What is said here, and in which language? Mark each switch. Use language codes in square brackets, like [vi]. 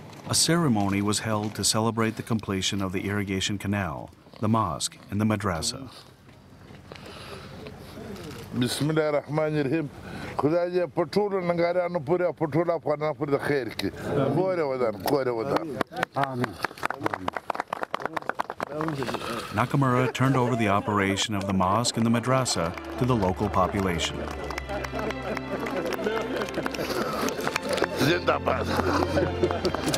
[en] A ceremony was held to celebrate the completion of the irrigation canal, the mosque, and the madrasa. [ar] Bismillah ar-Rahman ar-Rahim. [ps] خدای په ټولو ننګارانو پورې په ټولو افغانانو پورې د خیر کې کور ودان [ar] آمين. [en] Nakamura turned over the operation of the mosque and the madrasa to the local population. [ur] Zindabad.